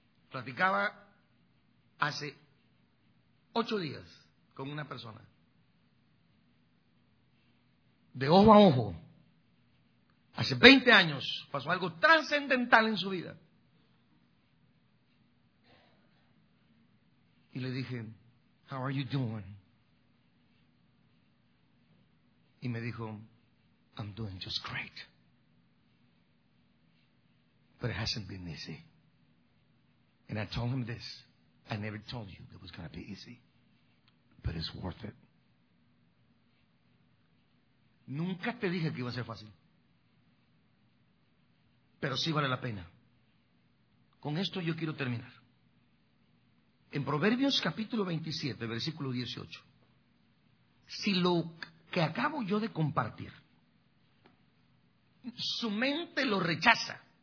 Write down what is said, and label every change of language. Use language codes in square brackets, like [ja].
[es] Platicaba hace 8 días con una persona. De ojo a ojo. Hace 20 años pasó algo trascendental en su vida. Y le dije, [en] "How are you doing?" [es] Y me dijo, [en] "I'm doing just great." But it hasn't been easy. And I told him this. I never told you it was going to be easy. But it's worth it. [es] Nunca te dije que iba a ser fácil. Pero sí vale la pena. Con esto yo quiero terminar. En Proverbios capítulo 27, versículo 18. Si lo que acabo yo de compartir, su mente lo rechaza.